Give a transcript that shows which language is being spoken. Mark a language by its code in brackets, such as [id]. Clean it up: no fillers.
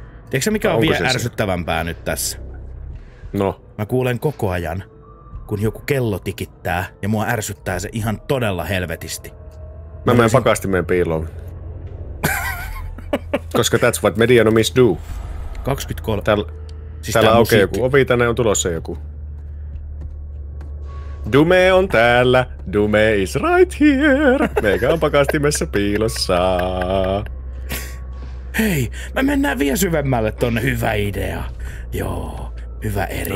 [fi] Tiedätkö mikä on vielä ärsyttävämpää nyt tässä? No? Mä kuulen koko ajan, kun joku kello tikittää ja mua ärsyttää se ihan todella helvetisti. Mä menen pakastimeen piiloon. Koska [en] that's what medianomies do. 23. [fi] Täällä aukee joku ovi, tänne on tulossa joku. Dume on täällä. [en] Dume is right here. [fi] Meikä on pakastimessa piilossa. Hei, mä mennään vielä syvemmälle tonne. Hyvä idea. Joo, hyvä eri.